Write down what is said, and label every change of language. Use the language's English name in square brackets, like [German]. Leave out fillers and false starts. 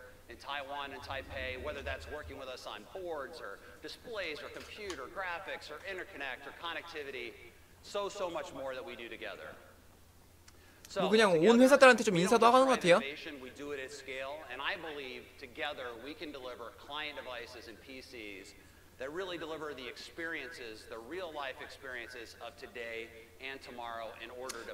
[English] in Taiwan and Taipei, whether that's working with us on boards or displays or computer graphics or interconnect or connectivity, so, so much more that we do together. [Korean] 뭐 그냥 온 회사들한테 좀 인사도 하는 것 같아요. [English] We do it at scale, and I believe together we can deliver client devices and PCs that really deliver the experiences, the real life experiences of today and tomorrow in order to.